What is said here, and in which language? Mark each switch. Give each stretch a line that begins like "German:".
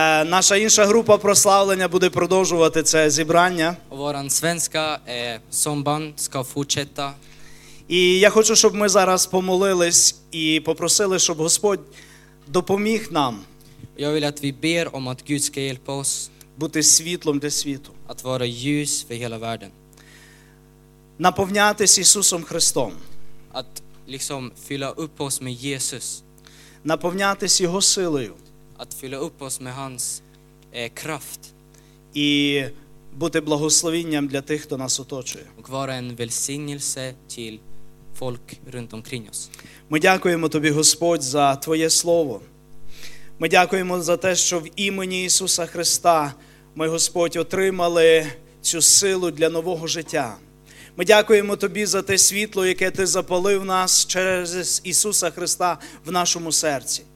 Ukrainian: Наша інша група прославлення буде продовжувати це зібрання.
Swedish: Våran svenska somband ska fortsätta.
Ukrainian: І я хочу, щоб ми зараз помолились і попросили, щоб Господь допоміг нам.
Swedish: Jag vill att vi ber om att Gud ska hjälpa oss.
Ukrainian: Бути світлом для світу.
Swedish: Att vara ljus för hela världen.
Ukrainian: Наповнятись Ісусом Христом.
Swedish: Att liksom fylla upp oss med Jesus.
Ukrainian: Наповнятись Його силою.
Swedish: Att fylla upp oss med hans kraft.
Ukrainian: І бути благословенням для тих, хто нас оточує.
Swedish: Och vara en välsignelse till folk runt omkring oss.
Ukrainian: Ми дякуємо тобі, Господь, за твоє слово. Ми дякуємо за те, що в імені Ісуса Христа ми, Господь, отримали цю силу для нового життя. Ми дякуємо тобі за те світло, яке ти запалив нас через Ісуса Христа в нашому серці.